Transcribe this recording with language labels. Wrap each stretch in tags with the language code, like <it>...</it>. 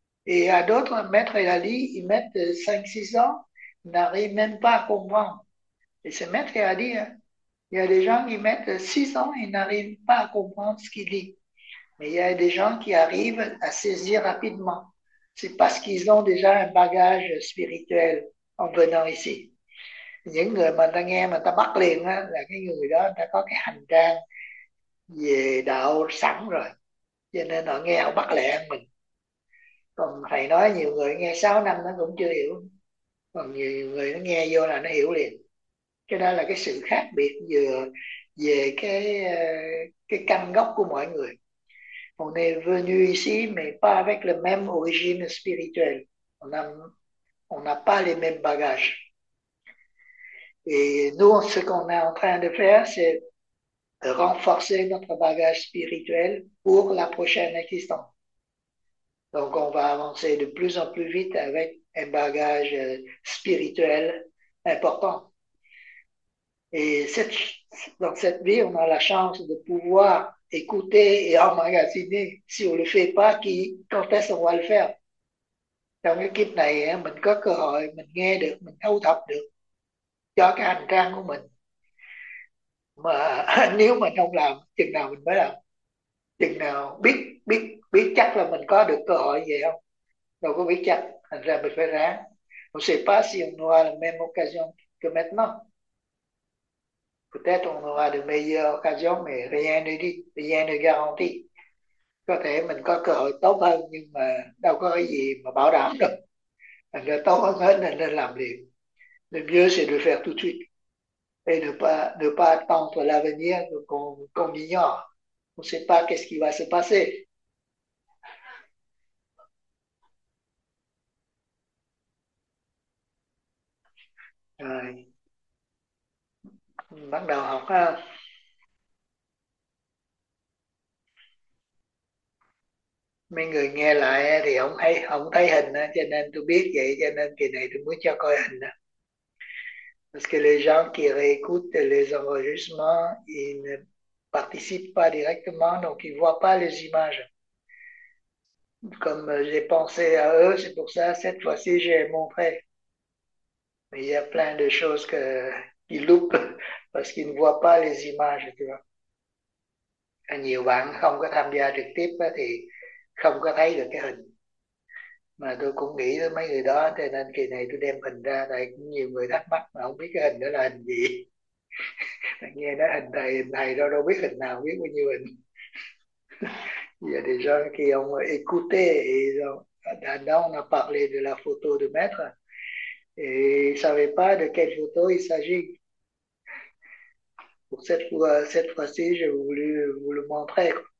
<fr>Et à d'autres, maître et Ali, ils mettent 5-6 ans, ils n'arrivent même pas à comprendre. Et c'est maître et Ali, hein. Il y a des gens qui mettent 6 ans, ils n'arrivent pas à comprendre ce qu'il dit. Mais il y a des gens qui arrivent à saisir rapidement. C'est parce qu'ils ont déjà un bagage spirituel en venant ici.</fr> <vi>Những người mà ta nghe mà ta bắt liền á, là cái người đó ta có cái hành trang về đạo sẵn rồi, cho nên họ nghe họ bắt lẹ mình. Còn thầy nói nhiều người nghe 6 năm nó cũng chưa hiểu, còn nhiều người nó nghe vô là nó hiểu liền. Cái đó là cái sự khác biệt vừa về cái căn gốc của mọi người.</vi> <fr>On est venu ici, mais pas avec le même origine spirituelle. On n'a pas les mêmes bagages. Et nous, ce qu'on est en train de faire, c'est renforcer notre bagage spirituel pour la prochaine existence. Donc, on va avancer de plus en plus vite avec un bagage spirituel important. Et dans cette vie, on a la chance de pouvoir écouter et emmagasiner. Si on ne le fait pas, quand est-ce qu'on va le faire?</fr> <vi>Trong cái kiếp này, mình có cơ hội, mình nghe được, mình thu thập được cho cái hành trang của mình. Mà nếu mình không làm, chừng nào mình mới làm? Chừng nào biết biết biết chắc là mình có được cơ hội gì không? Đâu có biết chắc, thành ra mình phải ráng.</vi> <fr>On sait pas si on aura la même occasion que maintenant. Peut-être on aura de meilleures occasions, mais rien ne dit, rien ne garantit.</fr> <vi>Có thể mình có cơ hội tốt hơn, nhưng mà đâu có cái gì mà bảo đảm được. Thành ra tốt hơn hết nên làm liền.</vi> <fr>Le mieux, c'est de faire tout de suite. Et ne pas attendre l'avenir qu'on ignore. On ne sait pas qu'est-ce qui va se passer.</fr> <vi>Rồi. Bắt đầu học ha. Mấy người nghe lại thì không thấy hình, cho nên tôi biết vậy, cho nên kỳ này tôi muốn cho coi hình đó.</vi> <fr>Parce que les gens qui réécoutent les enregistrements, ils ne participent pas directement, donc ils ne voient pas les images. Comme j'ai pensé à eux, c'est pour ça, cette fois-ci, j'ai montré. Mais il y a plein de choses qu'ils loupent parce qu'ils ne voient pas les images, tu vois.</fr> <vi>Nhiều bạn không có tham gia trực tiếp thì không có thấy được cái hình. Mà tôi cũng nghĩ tới mấy người đó, cho nên kỳ này tôi đem hình ra, tại cũng nhiều người thắc mắc mà không biết cái hình đó là hình gì. Nghe nói hình thầy đâu đâu biết hình nào, biết bao nhiêu hình. Giờ thì do khi ông</vi> <fr>écoutez, là on a parlé de la photo du maître, et il savait pas de quelle photo il s'agit. Pour cette fois-ci, j'ai voulu vous le montrer.</fr>